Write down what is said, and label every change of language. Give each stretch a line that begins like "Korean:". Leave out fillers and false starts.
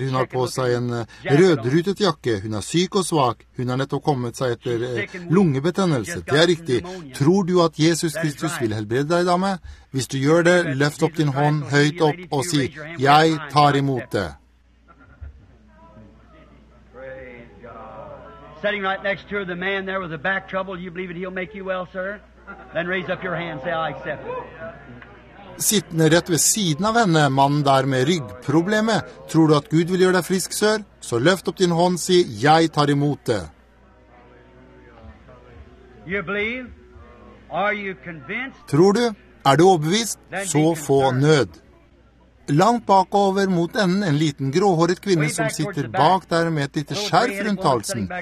Norwegian: Hun har på seg en rødrutet jakke. Hun er syk og svak. Hun er nettopp kommet seg etter lungebetennelse. Det er riktig. Tror du at Jesus Kristus vil helbrede deg, dame? Hvis du gjør det, løft opp din hånd høyt opp og si, jeg tar imot det.
English: Sitting right next to the man there with the back trouble, you believe it he'll make you well, sir? Then raise up your hand, say, I accept it.
Norwegian: Sittende rett ved siden av henne, mannen der med ryggproblemet, tror du at Gud vil gjøre deg frisk, sør? Så løft opp din hånd, si, jeg tar imot det.
English: You believe? Are you convinced?
Norwegian: Tror du? Er du overbevist? Så få nød. Langt bakover mot enden, en liten gråhåret kvinne som sitter bak der med et lite skjerf rundt halsen.